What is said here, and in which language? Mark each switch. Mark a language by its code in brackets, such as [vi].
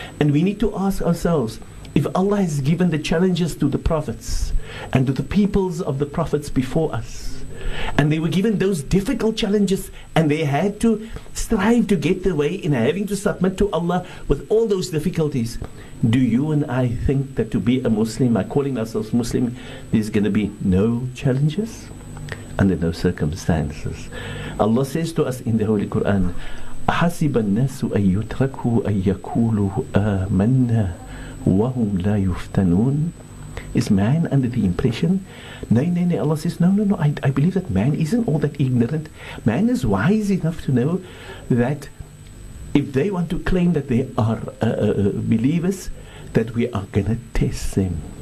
[en] And we need to ask ourselves, if Allah has given the challenges to the prophets and to the peoples of the prophets before us, and they were given those difficult challenges and they had to strive to get the way in having to submit to Allah with all those difficulties, do you and I think that to be a Muslim, by calling ourselves Muslim, there's going to be no challenges under no circumstances? Allah says to us in the Holy Quran, [ar] حَسِبَ النَّاسُ أَن يُتْرَكُوا أَن يَكُولُوا آمَنَّا وَهُمْ لَا يُفْتَنُونَ. [en] Is man under the impression? No, Allah says, no, I believe that man isn't all that ignorant. Man is wise enough to know that if they want to claim that they are believers, that we are going to test them.